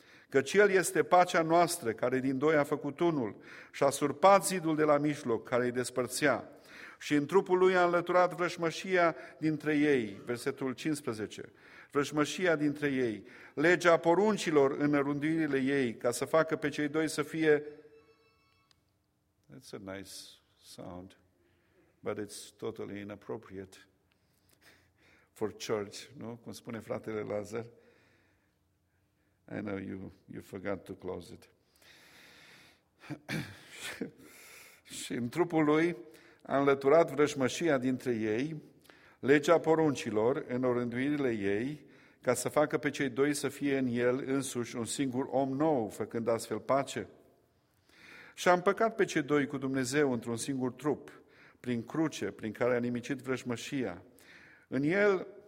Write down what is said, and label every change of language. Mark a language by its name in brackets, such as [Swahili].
[Romanian] Căci El este pacea noastră, care din doi a făcut unul și a surpat zidul de la mijloc, care îi despărțea. Și în trupul Lui a înlăturat vrășmășia dintre ei, versetul 15, vrășmășia dintre ei, legea poruncilor în înrânduirile ei, ca să facă pe cei doi să fie... [English] That's a nice sound, but it's totally inappropriate for church, nu? [Romanian] Cum spune fratele Lazar. [English] I know you forgot to close it. [Romanian] Și în trupul lui a înlăturat vrăjmășia dintre ei, legea poruncilor în orânduirile ei, ca să facă pe cei doi să fie în el însuși un singur om nou, făcând astfel pace. Și a împăcat pe cei doi cu Dumnezeu într-un singur trup, prin cruce, prin care a nimicit vrăjmășia. În el...